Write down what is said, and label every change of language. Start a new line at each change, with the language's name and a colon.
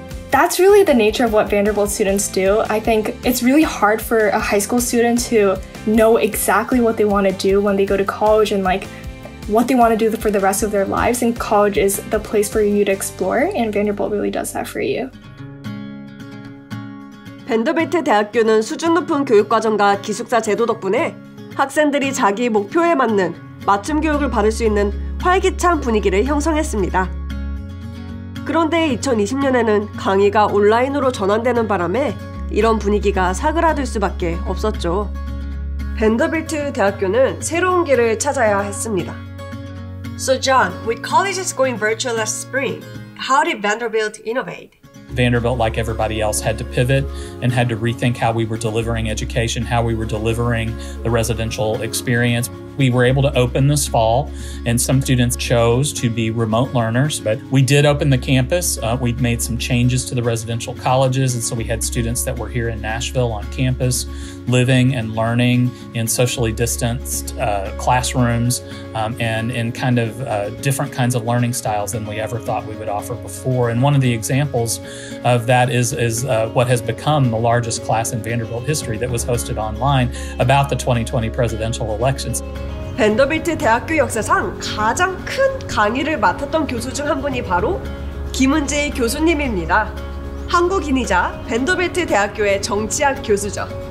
English: That's really the nature of what Vanderbilt students do. I think it's really hard for a high school student to know exactly what they want to do when they go to college and like what they want to do for the rest of their lives, and college is the place for you to explore, and Vanderbilt really does that for you.
Korean: 벤더빌트 대학교는 수준 높은 교육과정과 기숙사 제도 덕분에 학생들이 자기 목표에 맞는 맞춤 교육을 받을 수 있는 활기찬 분위기를 형성했습니다. 그런데 2020년에는 강의가 온라인으로 전환되는 바람에 이런 분위기가 사그라들 수밖에 없었죠. 벤더빌트 대학교는 새로운 길을 찾아야 했습니다.
English: So John, with colleges going virtual last spring, how did Vanderbilt innovate? Vanderbilt, like everybody else, had to pivot and had to rethink how we were delivering education, how we were delivering the residential experience. We were able to open this fall, and some students chose to be remote learners, but we did open the campus. We'd made some changes to the residential colleges, and so we had students that were here in Nashville on campus, living and learning in socially distanced classrooms and in kind of different kinds of learning styles than we ever thought we would offer before. And one of the examples of that is what has become the largest class in Vanderbilt history that was hosted online about the 2020 presidential elections.
Korean: 벤더빌트 대학교 역사상 가장 큰 강의를 맡았던 교수 중 한 분이 바로 김은재 교수님입니다. 한국인이자 벤더빌트 대학교의 정치학 교수죠.